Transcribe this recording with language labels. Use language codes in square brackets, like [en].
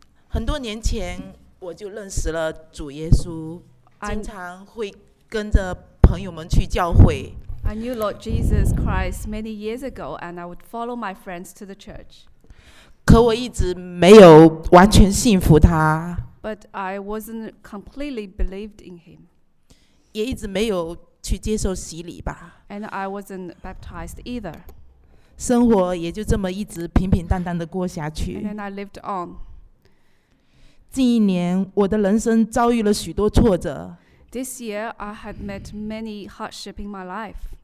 [zh] 很多年前我就认识了主耶稣，经常会跟着朋友们去教会。 [en] I knew Lord Jesus Christ many years ago, and I would follow my friends to the church. [zh] 可我一直没有完全信服他。 [en] But I wasn't completely believed in him. [zh] 也一直没有去接受洗礼吧。 [en] And I wasn't baptized either. [zh] 生活也就这么一直平平淡淡的过下去。 [en] And then I lived on. [zh] 近一年，我的人生遭遇了许多挫折。 [en] This year, I had met many hardship in my life.